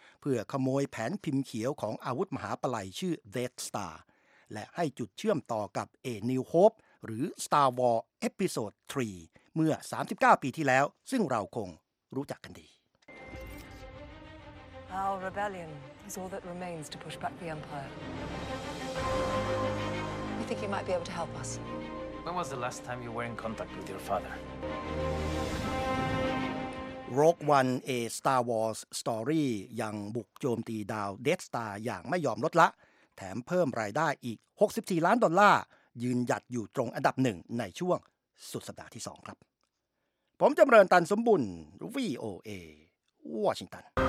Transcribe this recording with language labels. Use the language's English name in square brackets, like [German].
[Thai] เพื่อขโมยแผนพิมพ์เขียวของอาวุธมหาปลัยชื่อ Death Star และให้จุดเชื่อมต่อกับ A New Hope หรือ Star Wars Episode 3เมื่อ39ปีที่แล้วซึ่งเราคงรู้จักกันดี [English] Our rebellion is all that remains to push back the Empire. I think he might be able to help us. When was the last time you were in contact with your father? [Thai] Rogue One: A Star Wars Story ยังบุกโจมตีดาว Death Star อย่างไม่ยอมลดละแถมเพิ่มรายได้อีก64ล้านดอลลาร์ยืนหยัดอยู่ตรงอันดับ1ในช่วงสุดสัปดาห์ที่2ครับผมจำเริญตันสมบุญ VOA Washington